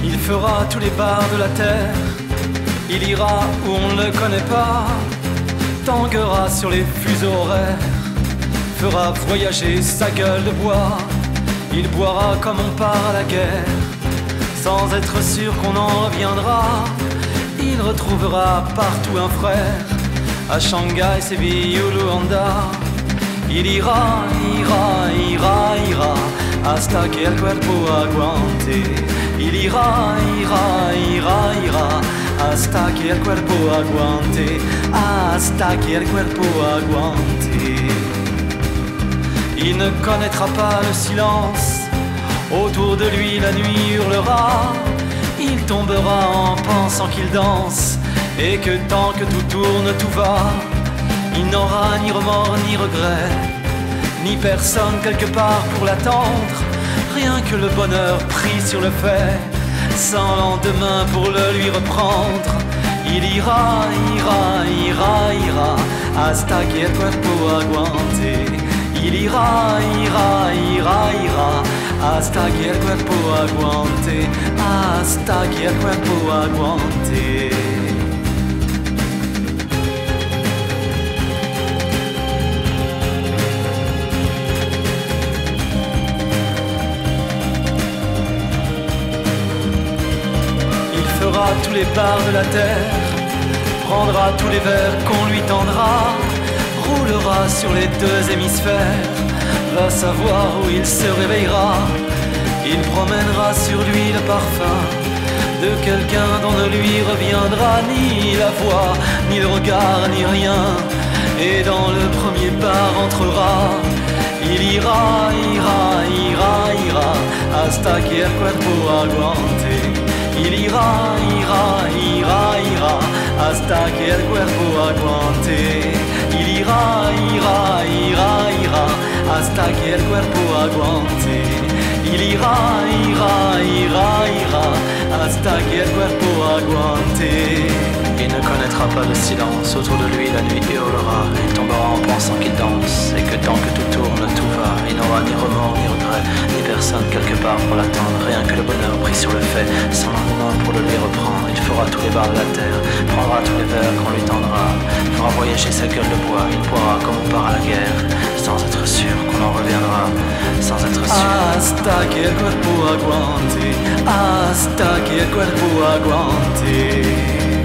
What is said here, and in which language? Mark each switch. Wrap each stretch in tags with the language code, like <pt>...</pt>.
<fr>fera tous les bars de la terre. Il ira où on ne le connaît pas, tanguera sur les fuseaux horaires, fera voyager sa gueule de bois. Il boira comme on part à la guerre, sans être sûr qu'on en reviendra. Il retrouvera partout un frère, à Shanghai, Séville ou Luanda. Il ira, ira, ira, ira,</fr> <es>hasta que el cuerpo aguante.</es> <fr>Il ira, ira, ira, ira,</fr> <es>hasta que el cuerpo aguante, hasta que el cuerpo aguante.</es> <fr>Il ne connaîtra pas le silence, autour de lui la nuit hurlera. Il tombera en pensant qu'il danse, et que tant que tout tourne, tout va. Il n'aura ni remords, ni regrets, ni personne quelque part pour l'attendre. Rien que le bonheur pris sur le fait, sans lendemain pour le lui reprendre. Il ira, ira, ira, ira,</fr> <es>hasta que el cuerpo aguante.</es> <fr>Il ira, ira, ira, ira,</fr> <es>hasta que el cuerpo aguante, hasta que el cuerpo aguante.</es> <fr>Il fera tous les bars de la terre, prendra tous les verres qu'on lui tendra. Roulera sur les deux hémisphères, va savoir où il se réveillera. Il promènera sur lui le parfum de quelqu'un dont ne lui reviendra ni la voix, ni le regard, ni rien. Et dans le premier bar entrera. Il ira, ira, ira, ira,</fr> <es>hasta que el cuerpo aguante.</es> <fr>Il ira, ira, ira, ira,</fr> <es>hasta que el cuerpo aguante.</es> <fr>Ira, ira, ira, ira,</fr> <es>hasta que el cuerpo aguante.</es> <fr>Il ira, ira, ira, ira,</fr> <es>hasta que el cuerpo aguante.</es> <fr>Il ne connaîtra pas le silence, autour de lui la nuit hurlera. Il tombera en pensant qu'il danse, et que tant que tout tourne, tout va. Il n'aura ni remords, ni regrets, ni personne quelque part pour l'attendre. Rien que le bonheur pris sur le fait, sans lendemain pour le lui reprendre. Il fera tous les bars de la terre, prendra tous les verres qu'on lui tendra. Fera voyager sa gueule de bois, il boira comme on part à la guerre, sans être sûr qu'on en reviendra, sans être sûr.</fr> <es>Hasta que el cuerpo aguante, hasta que el cuerpo aguante.</es>